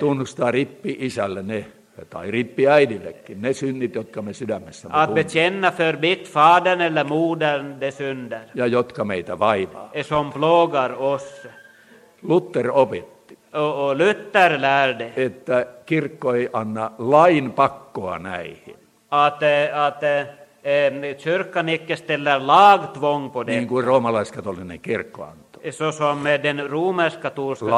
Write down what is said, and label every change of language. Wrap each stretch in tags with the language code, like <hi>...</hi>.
<fi>Tunnustaa rippi isälle ne. Tai rippi äidillekin, ne synnit, jotka me sydämessä tunnemme.</fi> <sv>Att bekänna för bitt fadern eller modern de synder.</sv> <fi>Ja jotka meitä vaivaa.</fi> <sv>Som plågar oss.</sv> <fi>Luther opetti.</fi> <sv>Och Luther lärde.</sv> <fi>Että kirkko ei anna lain pakkoa näihin.</fi> <sv>Att kyrkan icke ställer lagtvång på det.</sv> <fi>Niin kuin roomalaiskatolinen kirkko antaa.</fi> <sv>Så som den romersk-katolska kyrkan.</sv>